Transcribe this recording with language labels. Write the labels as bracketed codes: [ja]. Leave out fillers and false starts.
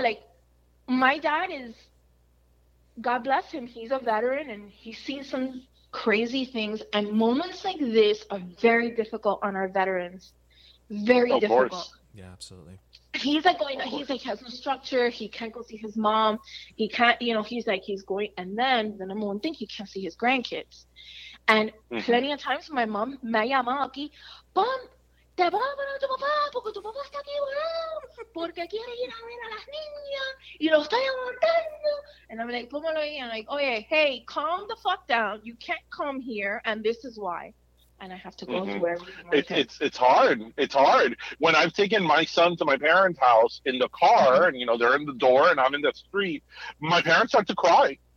[en] Like, my dad is, God bless him, he's a veteran and he's seen some crazy things, and moments like this are very difficult on our veterans. Very difficult. Course. Yeah, absolutely. He's like, he has no structure. He can't go see his mom. He can't, you know, he's like, he's going, and then the number one thing, he can't see his grandkids. And plenty of times my mom, [es] me llama aquí, pum, te va a ver a tu papá, porque tu papá está aquí, porque quiere ir a ver a las niñas, y lo estoy aguantando. [en] And I'm like, [es] pómalo ahí. [en] I'm like, [es] oye, [en] hey, calm the fuck down. You can't come here, and this is why. And I have to go to wherever. It's hard. When I've taken my son to my parents' house in the car, and, you know, they're in the door, and I'm in the street, my parents start to cry.